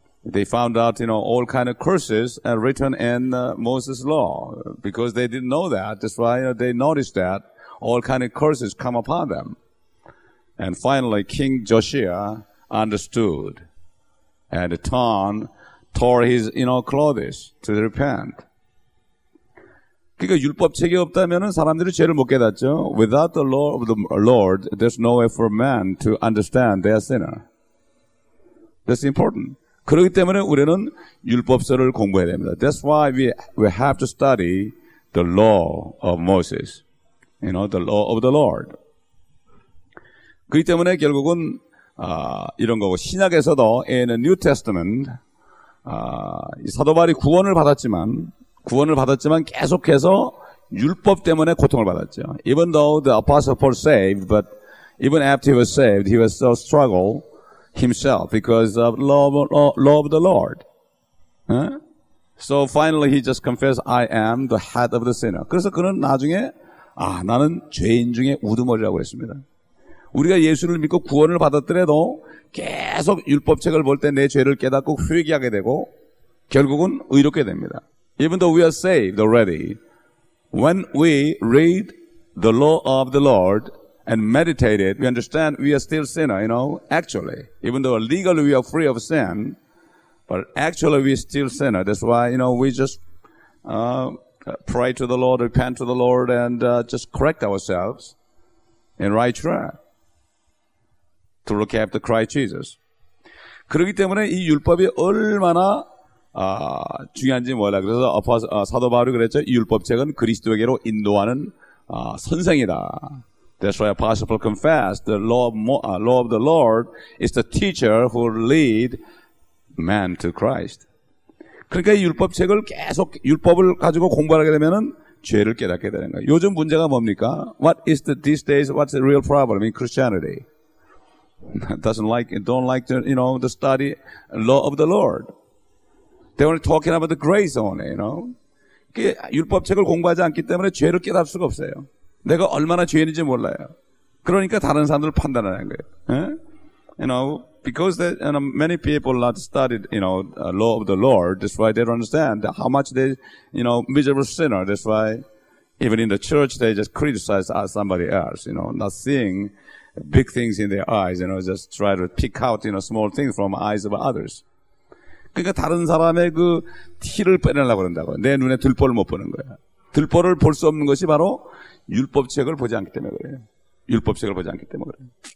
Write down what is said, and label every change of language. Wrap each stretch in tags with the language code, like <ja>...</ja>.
<en>They found out, you know, all kind of curses written in Moses' law because they didn't know that. That's why they noticed that all kind of curses come upon them. And finally, King Josiah understood and tore his, you know, clothes to repent.</en> <ko>그러니까 율법책이 없다면은 사람들이 죄를 못 깨닫죠.</ko> <en>Without the law of the Lord, there's no way for man to understand their sinner. That's important.</en> <ko>그렇기 때문에 우리는 율법서를 공부해야 됩니다.</ko> <en>That's why we have to study the law of Moses. You know, the law of the Lord.</en> <ko>그렇기 때문에 결국은 이런 거고 신약에서도</ko> <en>in the New Testament</en> <ko>사도바리 구원을 받았지만 계속해서 율법 때문에 고통을 받았죠.</ko> <en>Even though the apostle Paul saved, but even after he was saved, he was still struggle himself because of law of the Lord. So finally he just confessed, I am the head of the sinner.</en> <ko>그래서 그는 나중에, 나는 죄인 중에 우두머리라고 했습니다. 우리가 예수를 믿고 구원을 받았더라도 계속 율법책을 볼 때 내 죄를 깨닫고 회개하게 되고 결국은 의롭게 됩니다.</ko> <en>Even though we are saved already, when we read the law of the Lord and meditate it, we understand we are still sinner, you know, actually. Even though legally we are free of sin, but actually we are still sinner. That's why, you know, we just pray to the Lord, repent to the Lord, and just correct ourselves in right track to look after Christ Jesus.</en> <ko>그렇기 때문에 이 율법이 얼마나 중요한지 몰라. 그래서 사도 바울이 그랬죠. 율법책은 그리스도에게로 인도하는 선생이다.</ko> <en>That's why Apostle Paul confessed the law of the Lord is the teacher who lead man to Christ.</en> <ko>그러니까 이 율법책을 계속 율법을 가지고 공부하게 되면은 죄를 깨닫게 되는 거예요. 요즘 문제가 뭡니까?</ko> <en>What is the these days? What's the real problem in Christianity? Don't like to, you know, the study law of the Lord. They only talking about the grace only, you know.</en> <ko>율법책을 공부하지 않기 때문에 죄를 깨달을 수가 없어요. 내가 얼마나 죄인인지 몰라요. 그러니까 다른 사람들 판단하는 거예요.</ko> <en>You know, because they, you know, many people not studied, you know, law of the Lord, that's why they don't understand how much they, you know, miserable sinner. That's why even in the church they just criticize somebody else, you know, not seeing big things in their eyes, you know, just try to pick out, you know, small things from eyes of others.</en> <ko>그러니까 다른 사람의 그 티를 빼내려고 그런다고. 내 눈에 들보를 못 보는 거야. 들보를 볼 수 없는 것이 바로 율법책을 보지 않기 때문에 그래요. 율법책을 보지 않기 때문에 그래요.</ko>